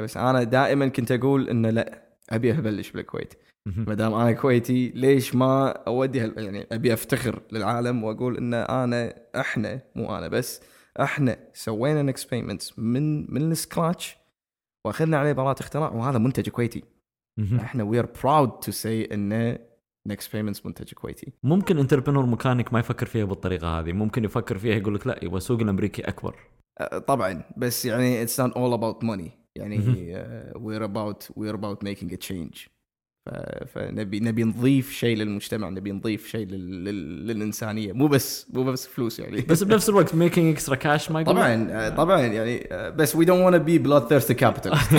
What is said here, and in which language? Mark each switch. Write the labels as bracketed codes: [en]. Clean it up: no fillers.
[ar] بس أنا دائما كنت أقول إنه لا، أبي أبلش بالكويت ما دام أنا كويتي، ليش ما أودي يعني أبي أفتخر للعالم وأقول إن إحنا مو أنا بس، إحنا سوينا Next Payments من السكراتش وأخذنا عليه براءة اختراع، وهذا منتج كويتي. إحنا [en] we are proud to say [ar] إن Next Payments منتج كويتي. ممكن انتربرنور مكانك ما يفكر فيها بالطريقة هذه، ممكن يفكر فيها يقول لك لا، يبغى السوق الأمريكي أكبر. طبعا، بس يعني [en] it's not all about money. [ar] يعني [en] we're about making a change. [ar] فنبي نضيف شيء للمجتمع، نبي نضيف شيء للإنسانية، مو بس فلوس يعني. بس بنفس الوقت [en] making extra cash [ar] ما يقول. طبعا يعني، بس [en] we don't want to be bloodthirsty capital.